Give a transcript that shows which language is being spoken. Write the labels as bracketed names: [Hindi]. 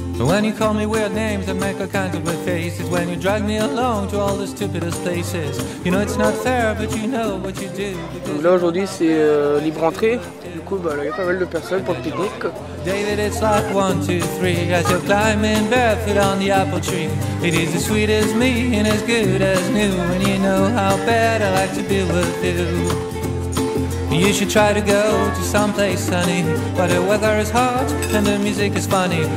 [English] When you call me weird names that make all kinds of weird faces, when you drag me along to all the stupidest places, you know it's not fair, but you know what you do. [French] Donc là aujourd'hui c'est libre entrée, du coup bah, là, y a pas mal de personnes pour le pique-nique. [English] David, it's like 1, 2, 3, as you're climbing barefoot on the apple tree. It is as sweet as me and as good as new, and you know how bad I like to be with you. You should try to go to someplace sunny, but the weather is hot and the music is funny.